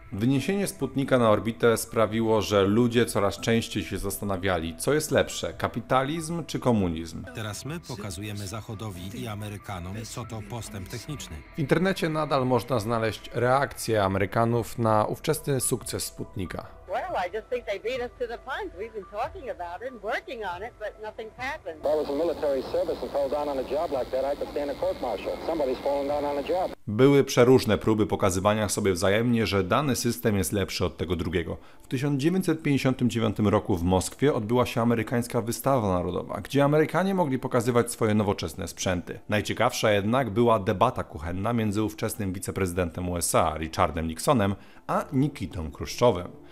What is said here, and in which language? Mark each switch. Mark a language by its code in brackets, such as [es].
[pl] Wyniesienie Sputnika na orbitę sprawiło, że ludzie coraz częściej się zastanawiali, co jest lepsze, kapitalizm czy komunizm. Teraz my pokazujemy Zachodowi i Amerykanom, co to postęp techniczny. W internecie nadal można znaleźć reakcję Amerykanów na ówczesny sukces Sputnika. [en] Well, I just think they beat us to the punch. We've been talking about it and working on it, but nothing's happened. Well, if the military service fell down on a job like that, I could stand a court martial. Somebody's fallen down on a job. [pl] Były przeróżne próby pokazywania sobie wzajemnie, że dany system jest lepszy od tego drugiego. W 1959 roku w Moskwie odbyła się amerykańska wystawa narodowa, gdzie Amerykanie mogli pokazywać swoje nowoczesne sprzęty. Najciekawsza jednak była debata kuchenna między ówczesnym wiceprezydentem USA, Richardem Nixonem, a Nikitą Chruszczowem.